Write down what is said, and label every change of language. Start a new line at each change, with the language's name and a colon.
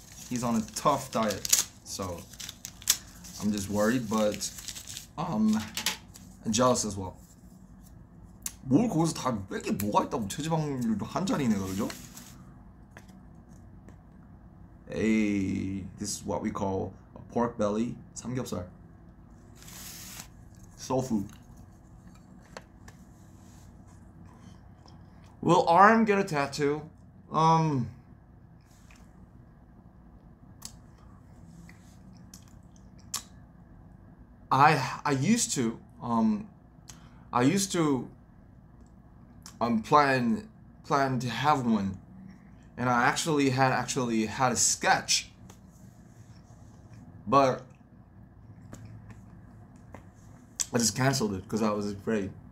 English: He's on a tough diet, so I'm just worried, but I'm jealous as well.
Korean: 뭘 거기서 다 뺄게 뭐가 있다고 체지방률도 한 잔이네 그죠?
English: Hey, this is what we call a pork belly, 삼겹살. Soul food. Will arm get a tattoo? I used to I used to plan to have one, and I actually had a sketch, but I just canceled it because I was afraid.